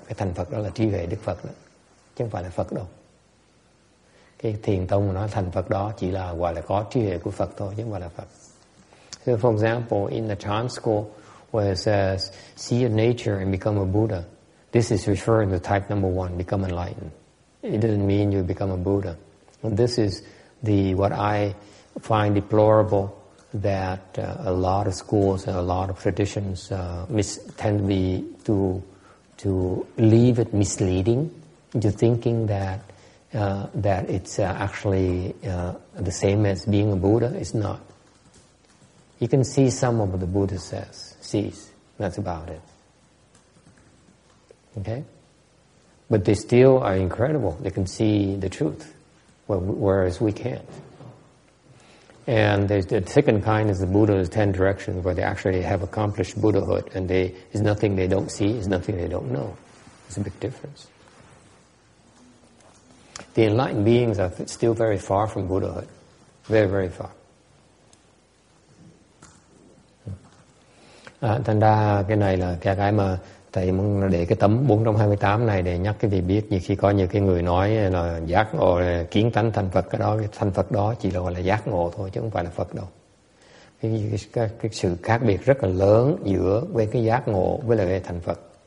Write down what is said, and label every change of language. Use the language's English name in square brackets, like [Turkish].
[Vietnamese] Cái thành Phật đó là trí huệ Đức Phật đó, chứ không phải là Phật đâu. Cái thiền tông nói thành Phật đó chỉ là gọi là có trí huệ của Phật thôi, chứ không phải là Phật. [English] So for example, in the Chan school where it says see your nature and become a Buddha, this is referring to type number one, become enlightened. It doesn't mean you become a Buddha. And this is what I find deplorable, that a lot of schools and a lot of traditions tend to leave it misleading, into thinking that it's actually the same as being a Buddha. It's not. You can see some of what the Buddha sees. That's about it. Okay? But they still are incredible. They can see the truth, whereas we can't. And there's the second kind is the Buddha's 10 directions, where they actually have accomplished Buddhahood, and there is nothing they don't see, is nothing they don't know. It's a big difference. The enlightened beings are still very far from Buddhahood. Very, very far. [Vietnamese] Thành ra cái này là cái mà thầy muốn để cái tấm 428 này để nhắc cái gì biết, như khi có những cái người nói là giác ngộ kiến tánh thành Phật, cái đó thành Phật đó chỉ là gọi là giác ngộ thôi chứ không phải là Phật đâu. Cái sự khác biệt rất là lớn giữa với cái giác ngộ với lại cái thành Phật.